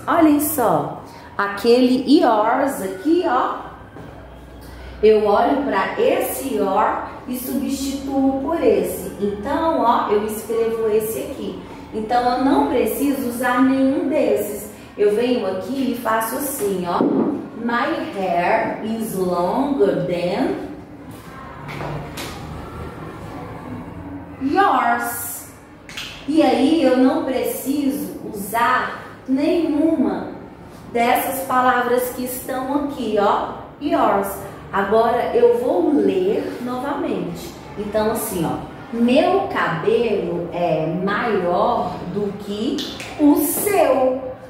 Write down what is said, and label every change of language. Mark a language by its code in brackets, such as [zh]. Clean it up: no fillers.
[pt] Olhem só. Aquele yours aqui, ó. Eu olho para esse or e substituo por esse. Então, ó, eu escrevo esse aqui. Então, eu não preciso usar nenhum desses. Eu venho aqui e faço assim, ó. [en] My hair is longer than yours. [pt] E aí, eu não preciso usar nenhuma dessas palavras que estão aqui, ó. Yours. Agora, eu vou ler novamente. Então, assim, ó. Meu cabelo é maior do que o seu.